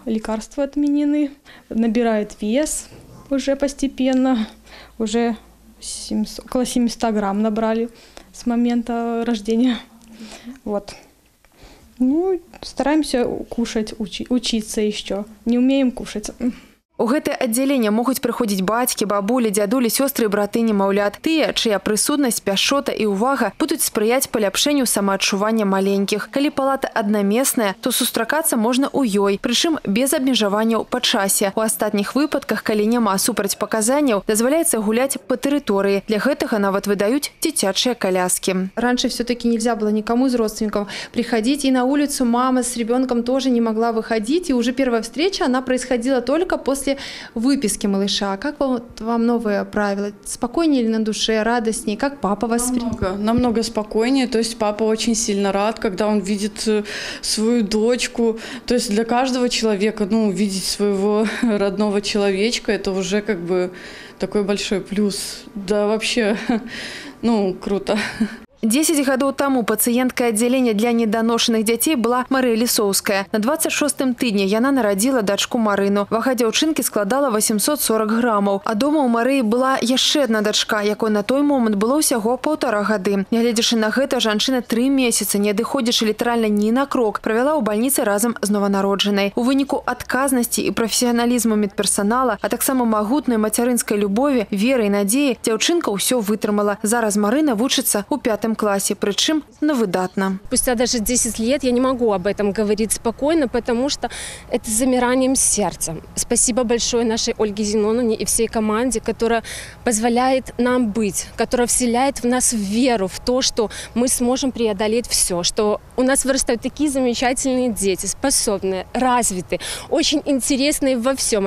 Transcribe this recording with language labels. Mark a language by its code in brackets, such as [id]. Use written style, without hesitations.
[ru] Лекарства отменены, набирает вес уже постепенно, уже 700, около 700 грамм набрали с момента рождения. Вот. Ну, стараемся кушать, учиться еще, не умеем кушать. [be] У гэты аддзяленне могуць прыходзіць бацькі, бабулі, дзядулі, сёстры, браты, немаўлят. Тыя, чыя прысутнасць, пяшчота і ўвага будуць спрыяць паляпшэнню самаадчування маленькіх. Калі палата аднаместная, то сустракацца можна ў ёй, прычым без абмежаванняў па часе. У астатніх выпадках, калі няма супрацьпаказанняў, дазваляецца гуляць па тэрыторыі. Для гэтага нават выдаюць дзіцячыя каляскі. [ru] Раньше всё-такі нельзя было никому з родственнікаў прыходзіць, і на вуліцу мама з ребёнком тоже не магла выходзіць, і ўжо первая встреча она происходила только после выписки малыша. Как вам новые правила? Спокойнее ли на душе, радостнее? Как папа воспринимает? Намного спокойнее. То есть папа очень сильно рад, когда он видит свою дочку. То есть для каждого человека, ну, видеть своего родного человечка, это уже как бы такой большой плюс. Да вообще, ну, круто. [be] 10 гадоў таму пацыентка аддзялення для неданошаных дзяцей была Марыя Лісоўская. На 26-м тыдні яна нарадзіла дачку Марыну. Вага дзяўчынкі складала 840 грамаў. А дома ў Марыі была яшчэ адна дачка, якой на той момант было ўсяго 1,5 гады. Нягледзячы на гэта, жанчына 3 месяцы, не адыходзячы літаральна ні на крок, правяла ў бальніцы разам з нованароджанай. У выніку адказнасці і прафесіяналізму медперсанала, а таксама магутнай мацярынскай любові, веры і надзеі, дзяўчынка ўсё вытрымала. Зараз Марына вучыцца ў 5-м классе, причем на выдатно. [ru] Спустя даже 10 лет я не могу об этом говорить спокойно, потому что это замиранием сердца. Спасибо большое нашей Ольге Зиновне и всей команде, которая позволяет нам быть, которая вселяет в нас веру в то, что мы сможем преодолеть все, что у нас вырастают такие замечательные дети, способные, развитые, очень интересные во всем.